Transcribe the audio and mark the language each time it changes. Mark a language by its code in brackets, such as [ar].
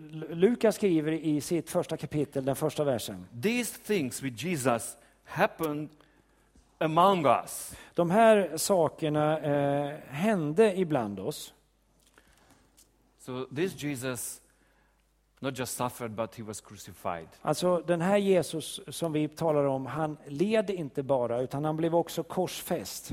[sv] Lukas skriver i sitt första kapitel den första versen. [en] These things with Jesus happened among us. [sv] De här sakerna hände ibland oss. [en] So this Jesus not just suffered but he was crucified. [sv] Alltså den här Jesus som vi talar om, han led inte bara utan han blev också korsfäst.